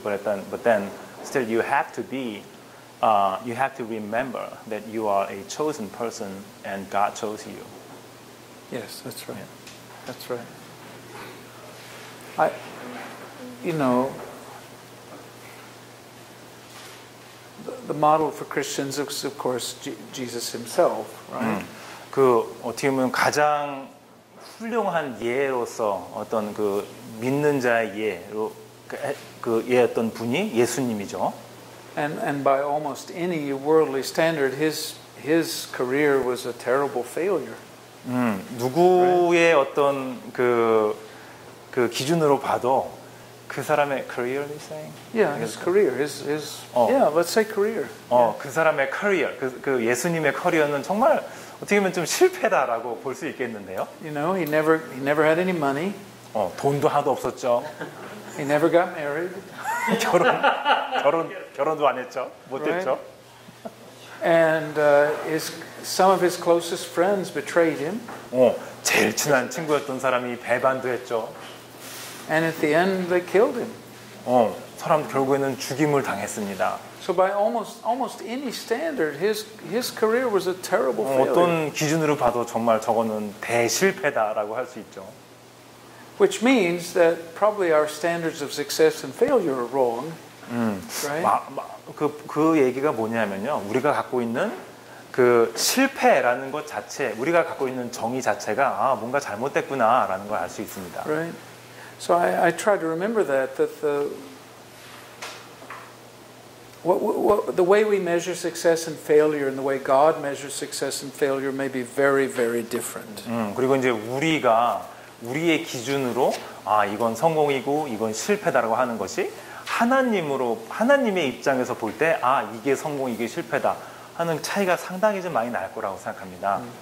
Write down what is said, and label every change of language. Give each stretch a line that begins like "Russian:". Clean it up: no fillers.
English: But then still you have to be, you have to remember that you are a chosen person and God chose you. Yes, that's right. Yeah. That's right. The model for Christians is, of course, Jesus himself, right?
Korean: 그 어떻게 보면 가장 훌륭한 예로서 어떤 그 믿는 자의 예로 그 예였던 분이 예수님이죠.
English: And by almost any worldly standard, his career was a terrible failure.
Korean: 누구의 right? 어떤 그 기준으로 봐도 그 사람의 career,
English: are you saying? Yeah, his career, his. 어. Yeah, let's say career.
Korean: 어, 그 사람의 career, 그 예수님의 커리어는 정말 어떻게 보면 좀 실패다라고 볼 수 있겠는데요?
English: You know, he never had any money.
Korean: 어, 돈도 하나도 없었죠.
English: He never got married.
Korean: 결혼도 안 했죠. 못했죠.
English: And some of his closest friends betrayed him.
Korean: 어, 제일 친한 친구였던 사람이 배반도 했죠.
English: And at the end, they killed him.
Korean: 어, 사람 결국에는 죽임을 당했습니다.
English: So by almost any standard, his career was a terrible failure.
Korean: 어떤 기준으로 봐도 정말 저거는 대실패다라고 할 수 있죠.
English: Which means that probably our standards of success and failure are wrong. Right?
Korean: 그 얘기가 뭐냐면요, 우리가 갖고 있는 그 실패라는 것 자체, 우리가 갖고 있는 정의 자체가 아, 뭔가 잘못됐구나라는 걸 알 수 있습니다.
English: Right. So I try to remember that the the way we measure success and failure and the way God measures success and failure may be very very different.
Korean: 그리고 이제 우리의 기준으로 아 이건 성공이고 이건 실패다라고 하는 것이 하나님의 입장에서 볼 때 아 이게 성공 이게 실패다 하는 차이가 상당히 좀 많이 날 거라고 생각합니다.